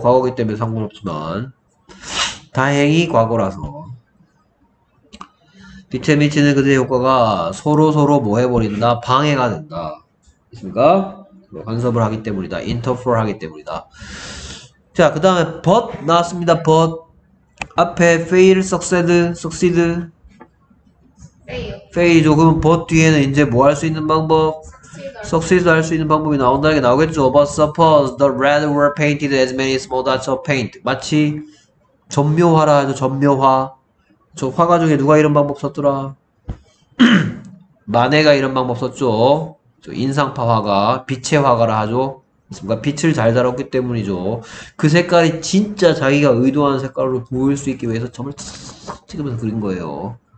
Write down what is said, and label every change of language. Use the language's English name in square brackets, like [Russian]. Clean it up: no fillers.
[Korean] 과거기 때문에 상관없지만 다행히 과거라서 빛에 미치는 그들의 효과가 서로 뭐 해버린다? 방해가 된다. 됐습니까? 간섭을 하기 때문이다. 인터퍼를 하기 때문이다. 자, 그 다음에 but 나왔습니다. but 앞에 fail, succeed, succeed. [English] fail [Korean] 조금 but 뒤에는 이제 뭐 할 수 있는 방법? succeed 할 수 있는 방법이 나온다는 게 나오겠죠. [English] but suppose the red were painted as many small dots of paint. [Korean] 마치 점묘화라 해도 점묘화. 저 화가 중에 누가 이런 방법 썼더라? 마네가 이런 방법 썼죠. 저 인상파 화가, 빛의 화가라 하죠. 그러니까 빛을 잘 다뤘기 때문이죠. 그 색깔이 진짜 자기가 의도하는 색깔로 보일 수 있기 위해서 점을 찍으면서 그린 거예요.